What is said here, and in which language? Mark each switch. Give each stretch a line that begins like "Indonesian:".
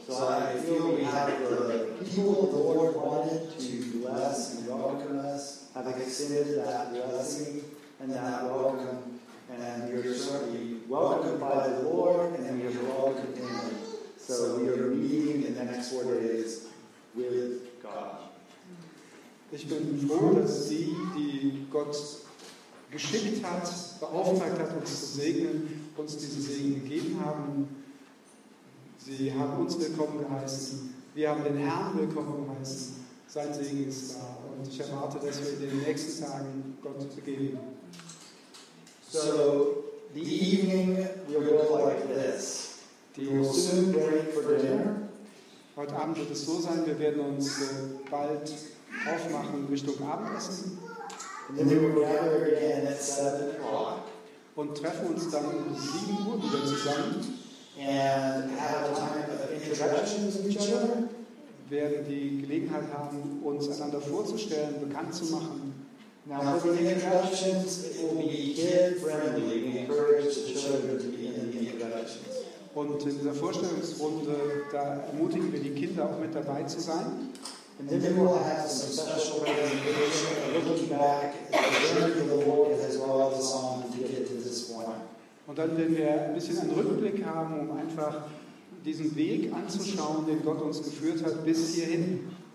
English: So I feel we have the people the Lord wanted to bless and welcome us. I've extended that blessing and that welcome. And you're certainly welcomed by the Lord, and you're welcomed in. So we are meeting in the next 4 days with God.
German: Ich bin froh, dass Sie, die Gott geschickt hat, beauftragt hat, uns zu segnen, uns diesen Segen gegeben haben. Sie haben uns willkommen geheißen. Wir haben den Herrn willkommen geheißen. Sein Segen ist da. Und ich erwarte, dass wir in den nächsten Tagen Gott begegnen.
English: So, the evening will go like this. We will soon break for dinner.
German: Heute Abend wird es so sein, wir werden uns bald aufmachen Richtung Abendessen.
English: And then we will gather again at 7 o'clock.
German: Und treffen uns dann um 7 Uhr wieder zusammen.
English: And have a time of introductions with each other.
German: Werden die Gelegenheit haben, uns einander vorzustellen, bekannt zu machen.
English: Now for the introductions, it will be kid-friendly. We encourage the children to be in the introductions.
German: Und in dieser Vorstellungsrunde, da ermutigen wir die Kinder auch mit dabei zu sein.
English: And then we'll have some special presentation of looking back at the journey of the Lord as well as the song to get to this point.
German: Und dann werden wir ein bisschen einen Rückblick haben, um einfach diesen Weg anzuschauen, den Gott uns geführt hat bis hierhin.